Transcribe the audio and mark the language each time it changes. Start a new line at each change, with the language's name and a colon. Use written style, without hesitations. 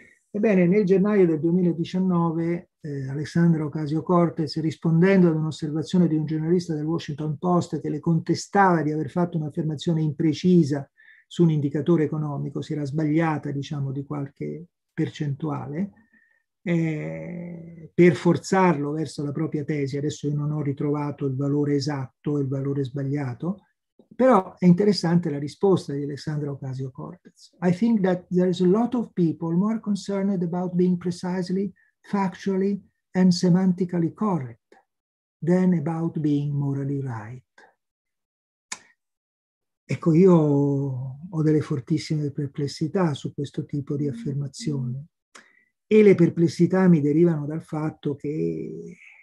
Italian: Ebbene, nel gennaio del 2019, Alessandra Ocasio-Cortez, rispondendo ad un'osservazione di un giornalista del Washington Post che le contestava di aver fatto un'affermazione imprecisa su un indicatore economico, si era sbagliata, diciamo, di qualche percentuale, per forzarlo verso la propria tesi. Adesso io non ho ritrovato il valore esatto, il valore sbagliato, però è interessante la risposta di Alessandra Ocasio-Cortez.
English: I think that there is a lot of people more concerned about being precisely, factually and semantically correct than about being morally right.
Italian: Ecco, io ho delle fortissime perplessità su questo tipo di affermazione e le perplessità mi derivano dal fatto che